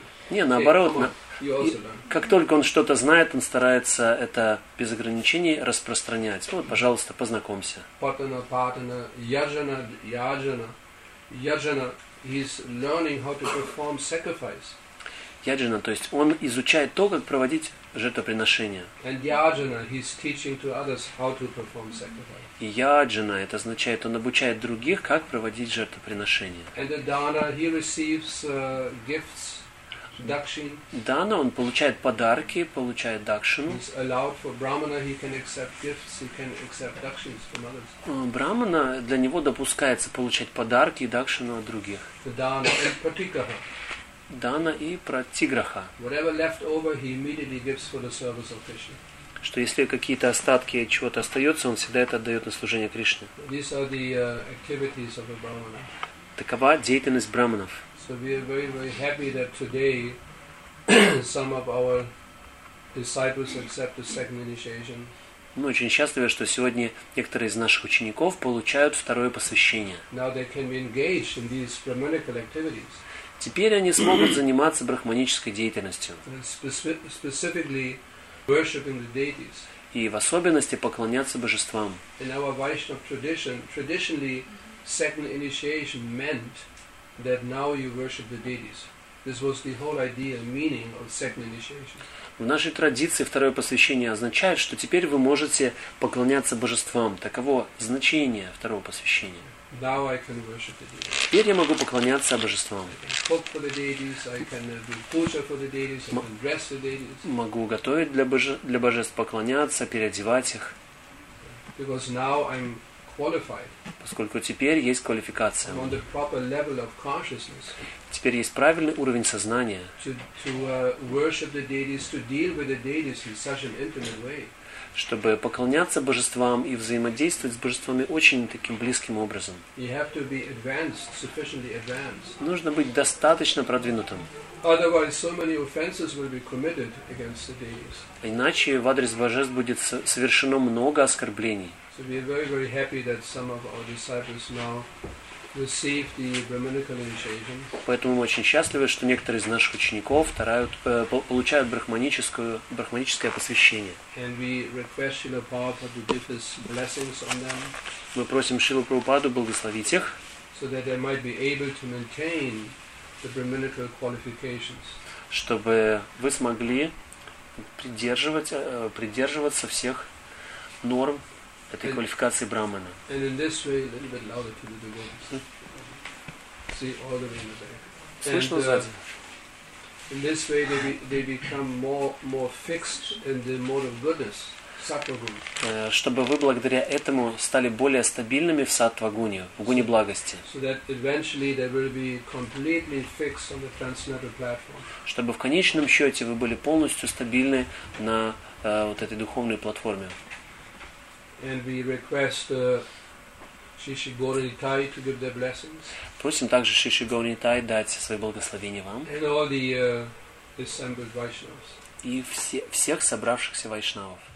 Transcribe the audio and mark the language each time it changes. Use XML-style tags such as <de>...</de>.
<ru>Не, наоборот. Как только он что-то знает, он старается это без ограничений распространять. Вот, пожалуйста, познакомься. Патана, патана, яджана, яджана, яджана.</ru> <en>He's learning how to perform sacrifice.</en> <ru>Яджана, то есть он изучает то, как проводить жертвоприношение.</ru> <en>And Yajana, he's teaching to others how to perform sacrifice.</en> <ru>И Яджана, это означает, он обучает других, как проводить жертвоприношение.</ru> <en>And the Dana, he receives gifts. Dakshin.</en> <ru>Дана, он получает подарки, получает дакшину.</ru> <en>He's allowed for Brahmana, he can accept gifts, he can accept dakshins from others.</en> <ru>Брахмана, для него допускается получать подарки и дакшину от других. Дана и Пратиграха. Дана и Пратиграха.</ru> <en>Whatever left over, he immediately gives for the service of Krishna.</en> <ru>Что если какие-то остатки чего-то остается, он всегда это отдает на служение Кришне.</ru> <en>These are the activities of a Brahmana.</en> <ru>Такова деятельность брахманов.</ru> <en>So we are very, very happy that today some of our disciples accept the second initiation.</en> <ru>Мы очень счастливы, что сегодня некоторые из наших учеников получают второе посвящение.</ru> <en>Now they can be engaged in these brahmanical activities.</en> <ru>Теперь они смогут заниматься брахманической деятельностью.</ru> <en>Specifically worshiping the deities.</en> <ru>И в особенности поклоняться божествам.</ru> <en>In our Vaishnav tradition, traditionally, second initiation meant that now you worship the deities. This was the whole idea, meaning of second initiation.</en> <ru>В нашей традиции второе посвящение означает, что теперь вы можете поклоняться божествам. Таково значение второго посвящения.</ru> <en>Now I can worship the deities.</en> <ru>Теперь я могу поклоняться божествам.</ru> <en>Cook for the deities. I can do puja for the deities. I can dress the deities.</en> <ru>Могу готовить для божеств, поклоняться, переодевать их.</ru> <en>Because now I'm qualified.</en> <ru>Поскольку теперь есть квалификация.</ru> <en>I'm on the proper level of consciousness.</en> <ru>Теперь есть правильный уровень сознания.</ru> <en>To worship the deities, to deal with the deities in such an intimate way.</en> <ru>Чтобы поклоняться божествам и взаимодействовать с божествами очень таким близким образом.</ru> <en>You have to be advanced, sufficiently advanced.</en> <ru>Нужно быть достаточно продвинутым.</ru> <en>Otherwise, so many offenses will be committed against the deities.</en> <ru>Иначе в адрес божеств будет совершено много оскорблений.</ru> <en>So we are very, very happy that some of our disciples now receive the brahmanical initiation.</en> <ru>Поэтому мы очень счастливы, что некоторые из наших учеников получают брахманическое посвящение.</ru> <en>And we request Srila Prabhupada to give his blessings on them.</en> <ru>Мы просим Шрилу Прабхупаду благословить их.</ru> <en>So that they might be able to maintain the brahmanical qualifications.</en> <ru>Чтобы вы смогли придерживаться всех норм этой квалификации брахмана.</ru> <en>And in this way, a little bit louder to the devotees. See all the way in the back.</en> <ru>Слышно сзади.</ru> <en>In this way, they become more fixed in the mode of goodness, саттва-гуна.</en> <ru>Чтобы вы благодаря этому стали более стабильными в саттва-гуне, в гуне благости.</ru> <en>So that eventually they will be completely fixed on the transcendental platform.</en> <ru>Чтобы в конечном счете вы были полностью стабильны на вот этой духовной платформе.</ru> <en>And we request Shishi Gauri Thai to give their blessings.</en> <ru>Просим также Шиши Гаури Нитай дать свои благословения вам.</ru> <en>And all the assembled Vaishnavas.</en> <ru>И всех собравшихся вайшнавов.</ru>